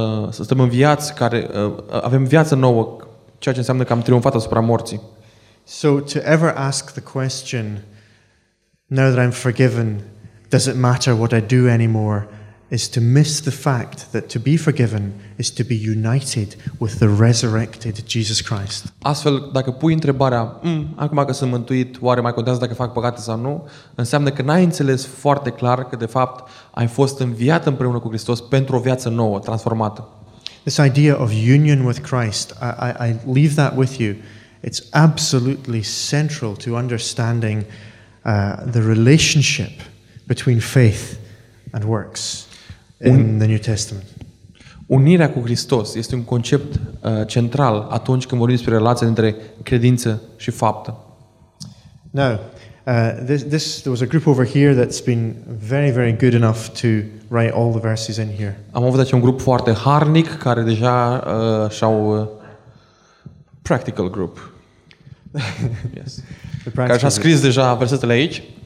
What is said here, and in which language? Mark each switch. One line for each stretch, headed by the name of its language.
Romanian: Suntem în viață care avem viață nouă, ceea ce înseamnă că am triumfat asupra morții.
English: So to ever ask the question, now that I'm forgiven, does it matter what I do anymore, is to miss the fact that to be forgiven is to be united with the resurrected Jesus Christ.
Romanian: Astfel, dacă pui întrebarea, acum că sunt mântuit, oare mai contează dacă fac păcate sau nu, înseamnă că n-ai înțeles foarte clar că, de fapt, ai fost înviat împreună cu Hristos pentru o viață nouă, transformată.
English: This idea of union with Christ, I leave that with you. It's absolutely central to understanding the relationship between faith and works in the New Testament.
Romanian: Unirea cu Hristos este un concept central atunci când vorbim despre relația dintre credință și faptă.
English: Now, there was a group over here that's been very, very good enough to write all the verses in here.
Romanian: Am avut aici un grup foarte harnic care deja și-au
English: practical group. Yes.
Romanian: Care și-a scris deja versetele aici.